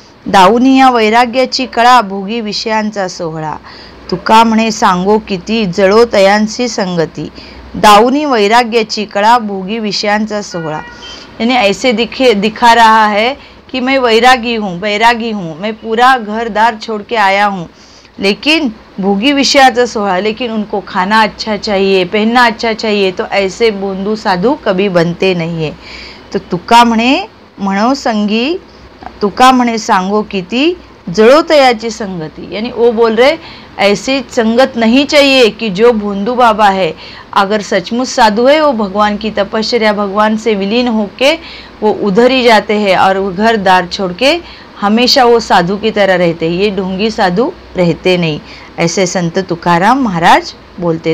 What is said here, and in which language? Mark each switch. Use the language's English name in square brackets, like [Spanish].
[Marathi] दाऊनिया वैराग्याची कळा, भोगी विषयांचा सोहळा, तुका म्हणे सांगो किती, जळो तयांसी संगती। दाऊनी वैराग्याची कळा, भोगी विषयांचा सोहळा। [Hindi] यानी ऐसे दिखा रहा है कि मैं वैरागी हूँ, मैं पूरा घरदार छोड़ के आया हूँ, लेकिन [Marathi] भोगी विषयाचा सोहळा, [Hindi] लेकिन उनको खाना अच्छा चाहिए, पहनना अच्छा चाहिए, तो ऐसे बोंधू साधु कभी बनते नहीं है। [Marathi] तो तुका म्हणे म्हणो संगी, तुका म्हणे सांगो किती, जळो तयाची संगती। [Hindi] यानी वो बोल रहे ऐसी संगत नहीं चाहिए कि जो भोंदू बाबा है, अगर सचमुच साधु है वो भगवान की तपश्चर्या, भगवान से विलीन होके वो उधर ही जाते हैं और वो घर दार छोड़ के हमेशा वो साधु की तरह रहते हैं, ये ढोंगी साधु रहते नहीं, ऐसे संत तुकाराम महाराज बोलते।